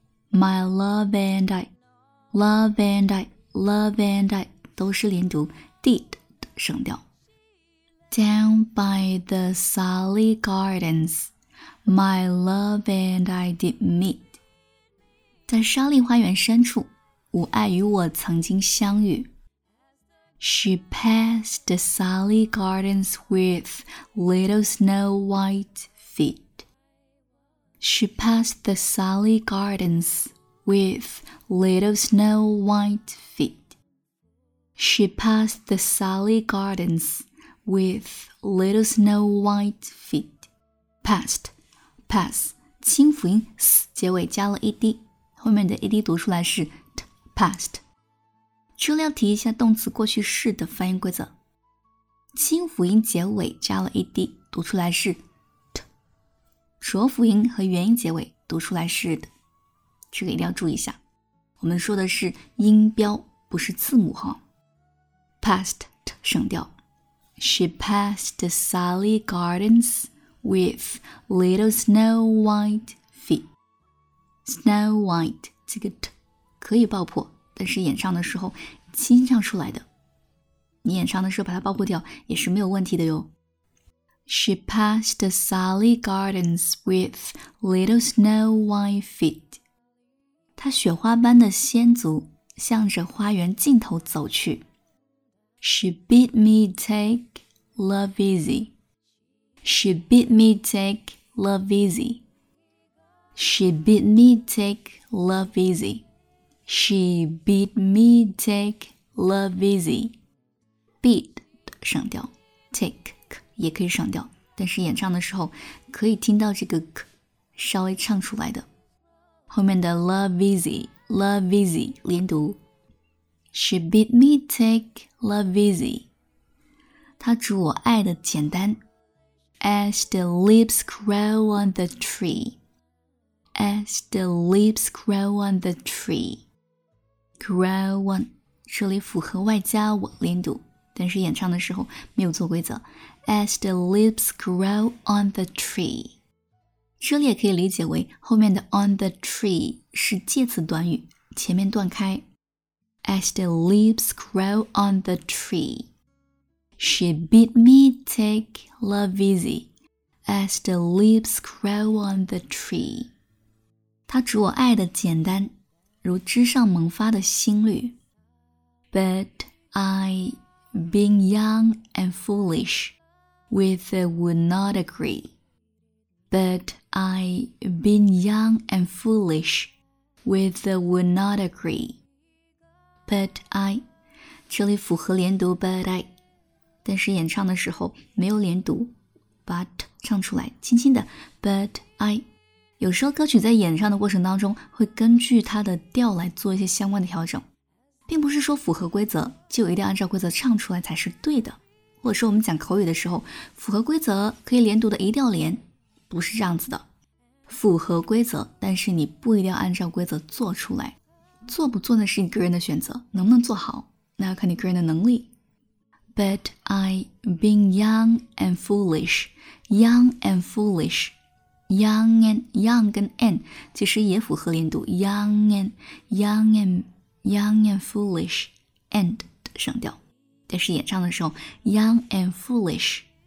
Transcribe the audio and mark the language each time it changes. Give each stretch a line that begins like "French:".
English: My love and I
Chinese: 都是连读
English: did
Chinese: 省掉。
English: Down by the Sally Gardens, my love and I did meet.
Chinese: 在莎莉花园深处，吾爱与我曾经相遇。
English: She passed the Sally Gardens with little snow white feet. She passed the Sally Gardens with little snow white feet. She passed the Sally Gardens. With little snow white feet. Past, pass,
Chinese: 轻辅音 s 结尾加了 ed, 后面的 ed 读出来是 t, past. 这里要提一下动词过去式的发音规则。轻辅音结尾加了 ed, 读出来是 t, 浊辅音和元音结尾读出来是 d, 这个一定要注意一下。我们说的是音标不是字母哈。
English: Past, t,
Chinese: 省掉。
English: She passed the Sally Gardens with little snow white feet. Snow white,
Chinese: 这个 t 可以爆破，但是演唱的时候清唱出来的。你演唱的时候把它爆破掉也是没有问题的哟。
English: She passed the Sally Gardens with little snow white feet.
Chinese: 她雪花般的仙足向着花园尽头走去。
English: She bid me take love easy. She bid me take love easy. She bid me take love easy. She bid me take love easy.
Chinese: Bid 省掉 ，take k 也可以省掉，但是演唱的时候可以听到这个 k 稍微唱出来的。后面的 love easy 连读。
English: She bid me take love easy.
Chinese: 她祝我爱的简单。
English: As the leaves grow on the tree. As the leaves grow on the tree. Grow on.
Chinese: 这里符合外加我连读，但是演唱的时候没有做规则。
English: As the leaves grow on the tree.
Chinese: 这里也可以理解为后面的 on the tree 是介词短语，前面断开。
English: As the leaves grow on the tree, she bid me take love easy. As the leaves grow on the tree,
Chinese: 她指我爱的简单，如枝上萌发的新绿。
English: But I, being young and foolish, with her would not agree. But I, being young and foolish, with her would not agree.
Chinese: But I, 这里符合连读 but I, 但是演唱的时候没有连读，把 t 唱出来，轻轻的 but I. 有时候歌曲在演唱的过程当中会根据它的调来做一些相关的调整，并不是说符合规则就一定按照规则唱出来才是对的，或者说我们讲口语的时候符合规则可以连读的一定要连，不是这样子的。符合规则，但是你不一定要按照规则做出来，做不做呢是你个人的选择，能不能做好那要看你个人的能力。
English: But I being young and foolish, young and foolish, young and young
Chinese: 跟
English: and
Chinese: 其实也符合连读，
English: young and young and young and foolish and
Chinese: 的声调，但是演唱的时候
English: young and foolish